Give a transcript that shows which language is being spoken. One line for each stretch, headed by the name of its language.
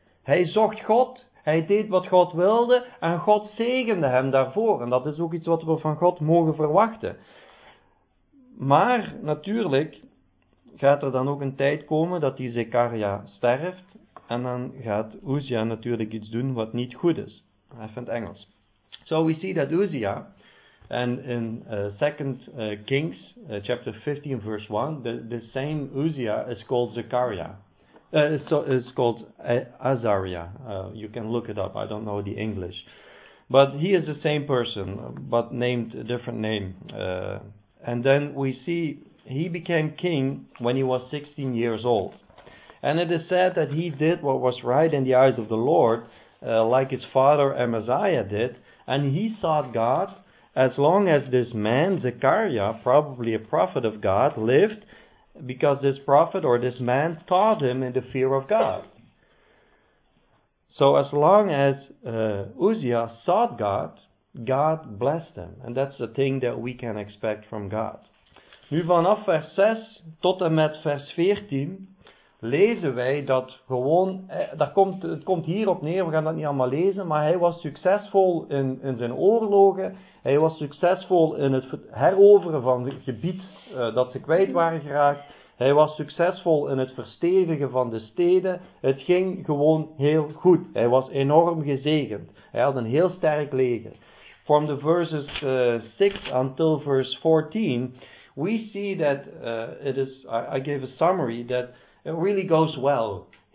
Dutch: Hij zocht God, hij deed wat God wilde en God zegende hem daarvoor. En dat is ook iets wat we van God mogen verwachten. Maar natuurlijk gaat er dan ook een tijd komen dat die Zekaria sterft. En dan gaat Uzia natuurlijk iets doen wat niet goed is. Even in het Engels.
English: So we see that Uzia, and in 2 Kings, chapter 15, verse 1, the same Uzia is called Zekaria. Azaria. You can look it up. I don't know the English. But he is the same person, but named a different name. And then we see he became king when he was 16 years old. And it is said that he did what was right in the eyes of the Lord, like his father Amaziah did, and he sought God as long as this man, Zekaria, probably a prophet of God, lived, because this prophet or this man taught him in the fear of God. So as long as Uzia sought God, God blessed him. And that's the thing that we can expect from God.
Dutch: Nu vanaf vers 6 tot en met vers 14... lezen wij dat gewoon, het komt hierop neer, we gaan dat niet allemaal lezen, maar hij was succesvol in zijn oorlogen, hij was succesvol in het heroveren van het gebied dat ze kwijt waren geraakt, hij was succesvol in het verstevigen van de steden, het ging gewoon heel goed, hij was enorm gezegend, hij had een heel sterk leger.
English: From the verses 6 until verse 14, we see that I gave a summary that it really goes well.